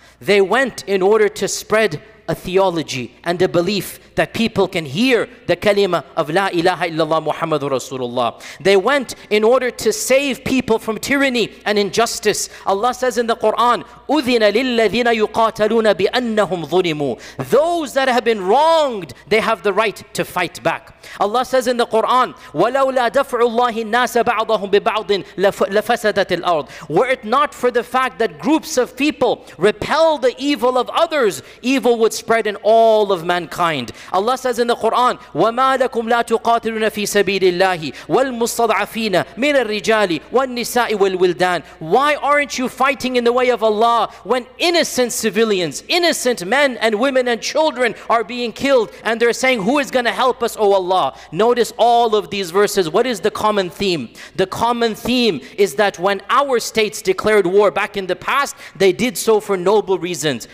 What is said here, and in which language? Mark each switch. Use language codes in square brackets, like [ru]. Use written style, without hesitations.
[en] They went in order to spread a theology and a belief that people can hear the kalima of La ilaha illallah Muhammadur Rasulullah. They went in order to save people from tyranny and injustice. Allah says in the Quran, [ar] أُذِنَ لِلَّذِينَ يُقَاتَلُونَ بِأَنَّهُمْ ظُلِمُوا. [en] Those that have been wronged, they have the right to fight back. Allah says in the Quran, [ar] وَلَوْ لَا دَفْعُ اللَّهِ النَّاسَ بَعْضَهُمْ بِبَعْضٍ لَفَسَدَتِ الْأَرْضِ. [en] Were it not for the fact that groups of people repel the evil of others, evil would spread in all of mankind. Allah says in the Quran, [ar] وَمَا لَكُمْ لَا تُقَاتِلُونَ فِي سَبِيلِ اللَّهِ وَالْمُصْطَضْعَفِينَ مِنَ الرِّجَالِ وَالنِّسَاءِ وَالْوِلْدَانِ. [en] Why aren't you fighting in the way of Allah when innocent civilians, innocent men and women and children are being killed, and they're saying, who is going to help us, O Allah? Notice all of these verses. What is the common theme? The common theme is that when our states declared war back in the past, they did so for noble reasons.